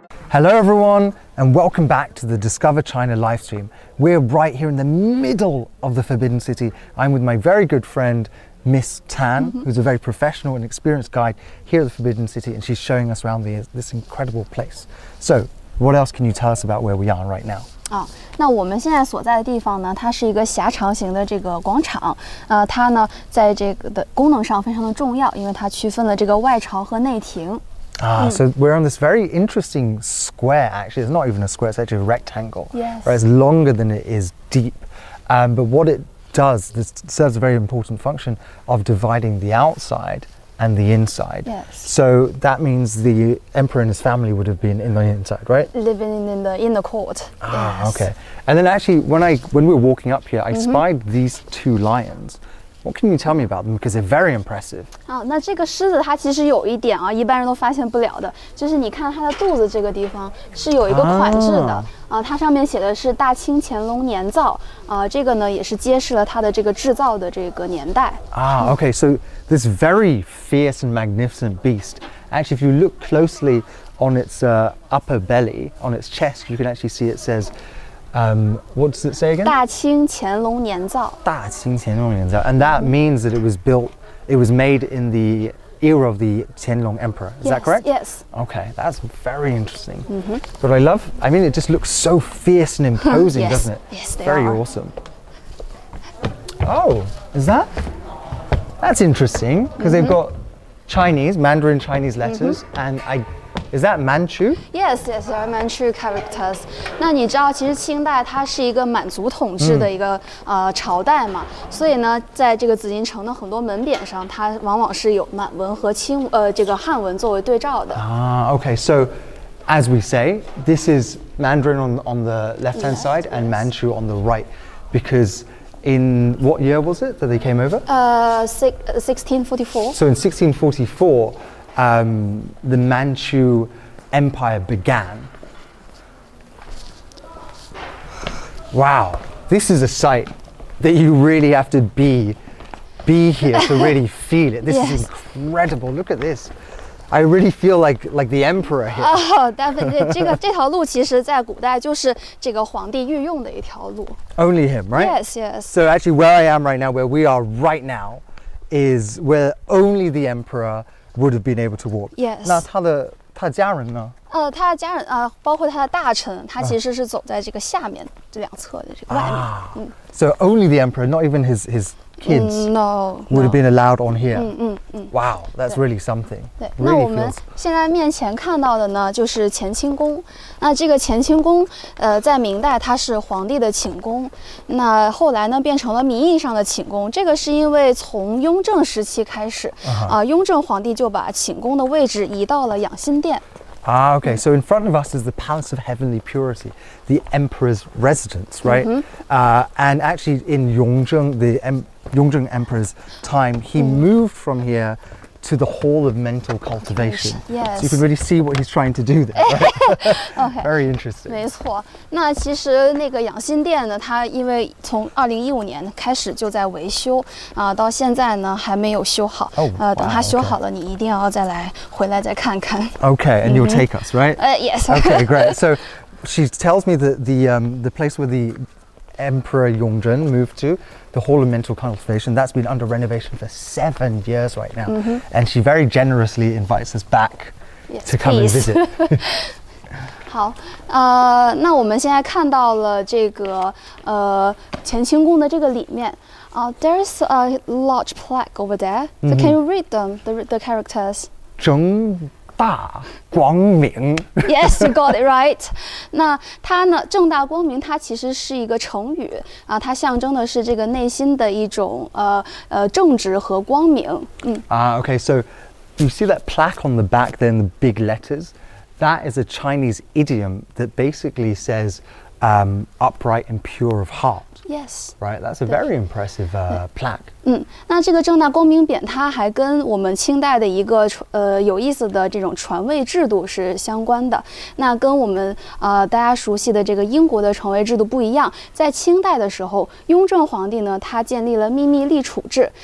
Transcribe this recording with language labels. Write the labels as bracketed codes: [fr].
[en] Hello everyone, and welcome back to the Discover China livestream. We're right here in the middle of the Forbidden City. I'm with my very good friend, Miss Tan, who's a very professional and experienced guide here at the Forbidden City, and she's showing us around this incredible place. So, what else can you tell us about where we are right now? [zh] 那我们现在所在的地方呢，它是一个狭长型的这个广场，它呢，在这个的功能上非常的重要，因为它区分了这个外朝和内廷。 [en] So we're on this very interesting square, actually. It's not even a square, it's actually a rectangle. Yes. Right, it's longer than it is deep. But what it does, this serves a very important function of dividing the outside and the inside. Yes. So that means the emperor and his family would have been in the inside, right? Living in the inner court. Okay. And then actually, when we were walking up here, I spied these two lions. What can you tell me about them? Because they're very impressive. [zh] 那这个狮子它其实有一点啊，一般人都发现不了的，就是你看它的肚子这个地方是有一个款式的。它上面写的是大清乾隆年造，这个呢也是揭示了它的这个制造的这个年代。 [en] Okay, so this very fierce and magnificent beast, actually if you look closely on its upper belly, on its chest, you can actually see it says,what does it say again? [zh] 大清乾隆年造。大清乾隆年造。 [en] And that means that it was made in the era of the Qianlong Emperor. Is yes, that correct? Yes. Okay, that's very interesting. But I love, I mean, it just looks so fierce and imposing, yes, doesn't it? Yes, they very are. Very awesome. Oh, is that? That's interesting, because they've got Chinese, Mandarin Chinese letters, and is that Manchu? Yes, yes, there are Manchu characters. [zh] 那你知道其实清代它是一个满族统治的一个朝代嘛，所以呢在这个紫禁城的很多门匾上它往往是有满文和清这个汉文作为对照的。 [en] Okay, so as we say, this is Mandarin on the left-hand side and Manchu on the right, because in what year was it that they came over? 1644. So in 1644,the Manchu Empire began. Wow, this is a sight that you really have to be here to really feel it. This is incredible. Look at this. I really feel like the emperor here. Oh, definitely. [zh] 这条路其实在古代就是这个皇帝御用的一条路。 [en] Only him, right? Yes, yes. So actually where I am right now, where we are right now, is where only the emperor... would have been able to walk. Yes. [zh] 那他的家人呢？他的家人包括他的大臣，他其实是走在这个下面这两侧的这个外面。 [en] So only the emperor, not even his kids, would have been allowed on here. 嗯。 Wow, that's really something. [zh] 对。那我们现在面前看到的呢，就是乾清宫。那这个乾清宫，在明代它是皇帝的寝宫，那后来呢变成了名义上的寝宫。这个是因为从雍正时期开始，雍正皇帝就把寝宫的位置移到了养心殿。 [en] Okay, so in front of us is the Palace of Heavenly Purity, the Emperor's residence, right? And actually in Yongzheng, the Yongzheng Emperor's time, he moved from here to the Hall of Mental Cultivation. Yes. So you can really see what he's trying to do there, right? Okay. Very interesting. [zh] 没错。那其实那个养心殿呢，它因为从2015年开始就在维修，到现在呢还没有修好。等它修好了，你一定要再来，回来再看看。 [en] Okay, and you'll take us, right? Yes. Okay, great. So she tells me that the place where the Emperor Yongzheng moved to,the Hall of Mental Cultivation, that's been under renovation for 7 years right now. And she very generously invites us back yes, to come、 please. And visit. [zh] 好，那我们现在看到了这个乾清宫的这个里面。 [en] There's a large plaque over there. So can you read them, the characters? [zh] 中大光明。 [en] Yes, you got it right. [zh] 那它呢，正大光明它其实是一个成语，它象征的是这个内心的一种正直和光明。 [en] Okay, so you see that plaque on the back there in the big letters? That is a Chinese idiom that basically says upright and pure of heart. Yes. Right, that's a very impressive plaque. [zh] 那这个正大光明匾它还跟我们清代的一个有意思的这种传位制度是相关的。那跟我们大家熟悉的这个英国的传位制度不一样，在清代的时候，雍正皇帝呢，他建立了秘密立储制。